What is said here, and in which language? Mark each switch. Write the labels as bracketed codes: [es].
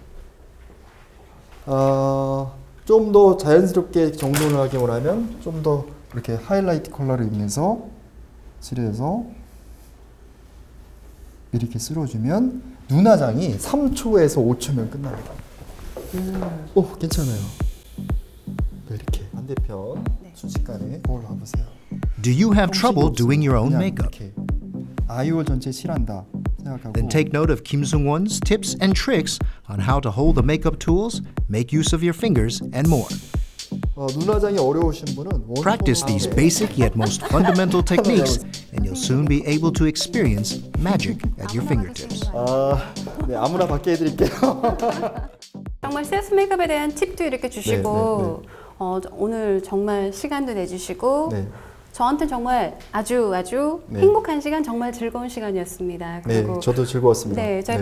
[ko] 네. 아, 좀 더 자연스럽게 정돈을 하기 원하면 좀 더 이렇게 하이라이트 컬러를 입면서 칠해서 이렇게 쓸어주면 눈화장이 3초에서 5초면 끝납니다. 오, 괜찮아요. 이렇게 반대편 순식간에 거울 봐보세요. [en] Do you have trouble doing your own makeup? [ko] 아이홀 전체 칠한다 생각하고. [en] Then take note of Kim Sung Won's tips and tricks on how to hold the makeup tools, make use of your fingers, and more. [ko] 눈화장이 어려우신 분은 [en] practice these basic yet most fundamental techniques, and you'll soon be able to experience magic at your fingertips. [ko] 네, 아무나 받게 해드릴게요. 정말 셀프 메이크업에 대한 팁도 이렇게 주시고. 네, 네, 네. 오늘 정말 시간도 내주시고 네. 저한테 정말 아주 아주 네. 행복한 시간, 정말 즐거운 시간이었습니다. 그리고 네, 저도 즐거웠습니다. 네, 저희 네.